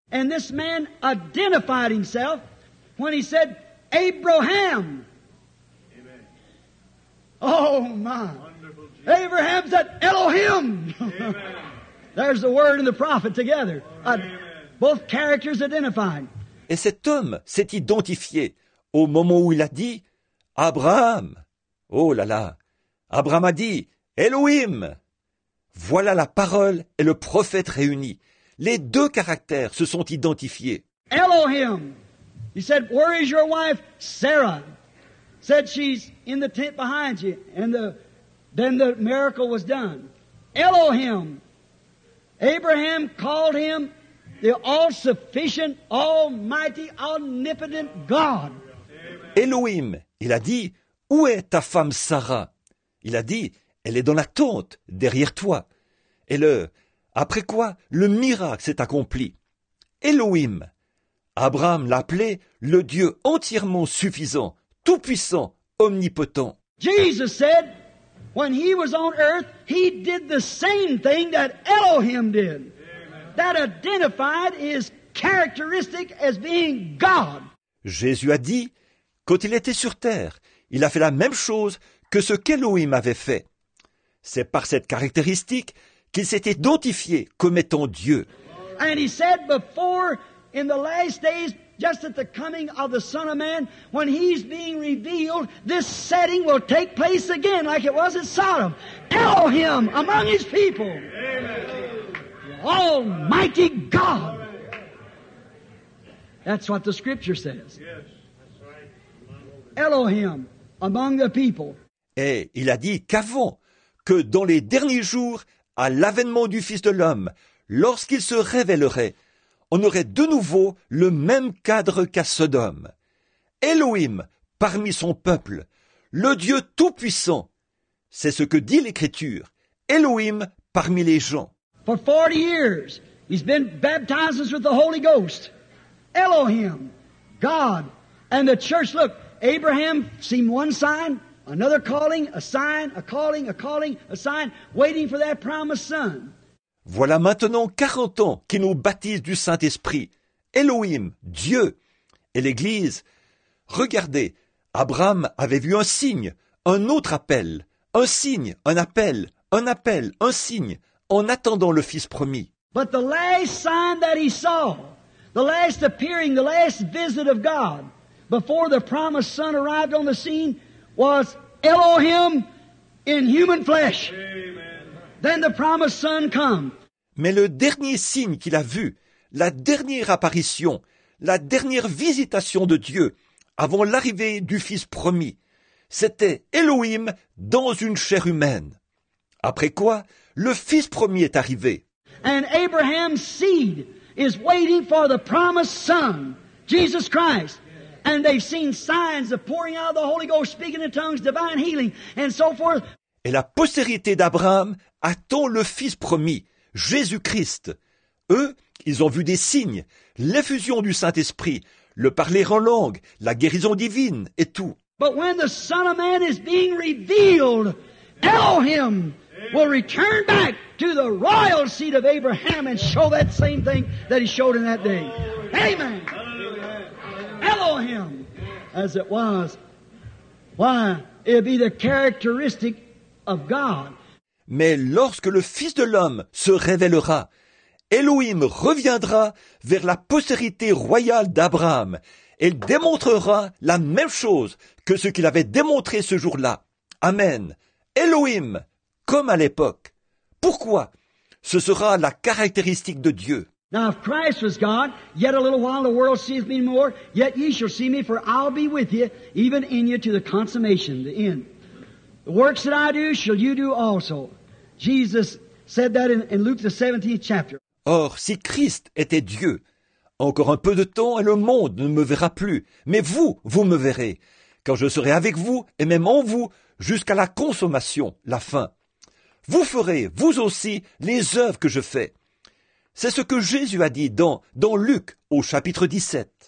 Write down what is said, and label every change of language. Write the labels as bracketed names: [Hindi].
[English] And this man identified himself when he said, Abraham. Amen. Oh, my. Abraham said, Elohim. Amen. There's the word and the prophet together. Amen. Both characters identified. [French] Et cet homme s'est identifié au moment où il a dit, Abraham. Oh là là. Abraham a dit, Elohim. Voilà la parole et le prophète réunis. Les deux caractères se sont identifiés. Elohim. [English] He said, where is your wife? Sarah. Said she's in the tent behind you. And then the miracle was done. Elohim. Abraham called him the all-sufficient, almighty, omnipotent God. Elohim. [French] Il a dit, où est ta femme Sarah? Il a dit, elle est dans la tente, derrière toi. Et le, après quoi, le miracle s'est accompli. Elohim. Abraham l'appelait le Dieu entièrement suffisant, tout-puissant, omnipotent. [English] Jesus said, when he was on earth, he did the same thing that Elohim did. Amen. That identified his characteristic as being God. [French] Jésus a dit, quand il était sur terre, il a fait la même chose que ce qu'Elohim avait fait. C'est par cette caractéristique qu'il s'est identifié comme étant Dieu. [English] And he said before, in the last days, just at the coming of the Son of Man, when he's being revealed, this setting will take place again like it was in Sodom. Elohim among his people. Amen. Almighty God. That's what the scripture says. Yes. Elohim, among the people. [French] Et il a dit qu'avant, que dans les derniers jours, à l'avènement du Fils de l'homme, lorsqu'il se révélerait, on aurait de nouveau le même cadre qu'à Sodome. Elohim parmi son peuple, le Dieu Tout-Puissant. C'est ce que dit l'Écriture. Elohim parmi les gens. [English] For 40 years, he's been baptized with the Holy Ghost. Elohim, God, and the church. Look, Abraham seemed one sign, another calling, a sign, a calling, a sign, waiting for that promised son. [French] Voilà maintenant 40 ans qu'il nous baptise du Saint-Esprit. Elohim, Dieu, et l'Église. Regardez, Abraham avait vu un signe, un autre appel, un signe, un appel, un signe, en attendant le Fils promis. [English] But the last sign that he saw, the last appearing, the last visit of God, before the promised son arrived on the scene, was Elohim in human flesh. Amen. Then the promised son come. [French] Mais le dernier signe qu'il a vu, la dernière apparition, la dernière visitation de Dieu avant l'arrivée du Fils promis, c'était Elohim dans une chair humaine. Après quoi, le Fils promis est arrivé. [English] And Abraham's seed is waiting for the promised son, Jesus Christ. And they've seen signs of pouring out the Holy Ghost, speaking in tongues, divine healing, and so forth. [French] Et la postérité d'Abraham attend le Fils promis, Jésus-Christ. Eux, ils ont vu des signes, l'effusion du Saint-Esprit, le parler en langue, la guérison divine et tout. [English] But when the Son of Man is being revealed, Elohim will return back to the royal seed of Abraham and show that same thing that he showed in that day. Amen. Elohim, as it was. Why? It would be the characteristic of God. [French] Mais lorsque le Fils de l'homme se révélera, Elohim reviendra vers la postérité royale d'Abraham et démontrera la même chose que ce qu'il avait démontré ce jour-là. Amen. Elohim, comme à l'époque. Pourquoi? Ce sera la caractéristique de Dieu. [English] Now if Christ was God, yet a little while the world seeth me more, yet ye shall see me, for I'll be with you, even in you to the consummation, the end. The works that I do, shall you do also. Jesus said that in Luke the 17th chapter. [French] Or, si Christ était Dieu, encore un peu de temps et le monde ne me verra plus, mais vous, vous me verrez, quand je serai avec vous et même en vous, jusqu'à la consommation, la fin. Vous ferez, vous aussi, les œuvres que je fais. C'est ce que Jésus a dit dans Luc au chapitre 17.